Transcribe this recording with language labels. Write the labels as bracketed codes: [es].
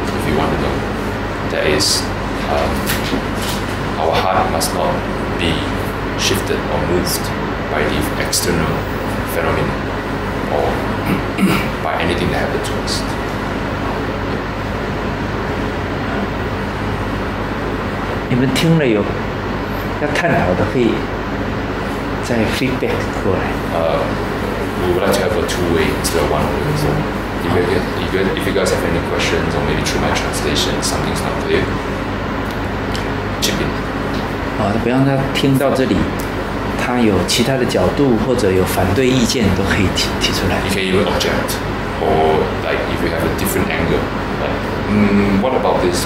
[en] If you want to know, that is our heart must not be shifted or moved by the external phenomenon or by anything that happens to us. [zh] You 们听了有要探讨的，可以再 feedback 过来。 [en] We would like to have a two-way instead of one-way. So if you guys have any questions or maybe through my translation, something's not clear, chip in. [zh] 好的，不要他听到这里，他有其他的角度或者有反对意见都可以提出来。 [en] You can even object, or like if you have a different angle, what about this?